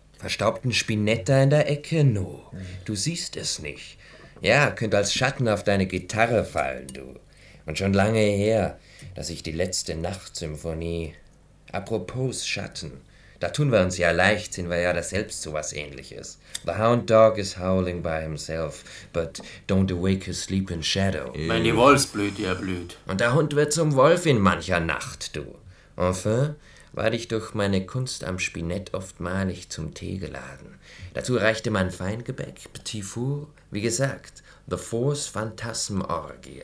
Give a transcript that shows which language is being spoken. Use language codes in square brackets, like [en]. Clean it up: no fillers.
[de] Verstaubten Spinetta in der Ecke, no. Du siehst es nicht. Ja, könnte als Schatten auf deine Gitarre fallen, du. Und schon lange her, dass ich die letzte Nachtsymphonie... Apropos Schatten, da tun wir uns ja leicht, sind wir ja das selbst so was Ähnliches. [en] The hound dog is howling by himself, but don't awake his sleeping shadow. [de] Wenn die Wolfsblüte erblüht. Und der Hund wird zum Wolf in mancher Nacht, du. Enfin... war ich durch meine Kunst am Spinett oftmalig zum Tee geladen. Dazu reichte mein Feingebäck, Petit Four, wie gesagt, The Force Phantasm Orgie.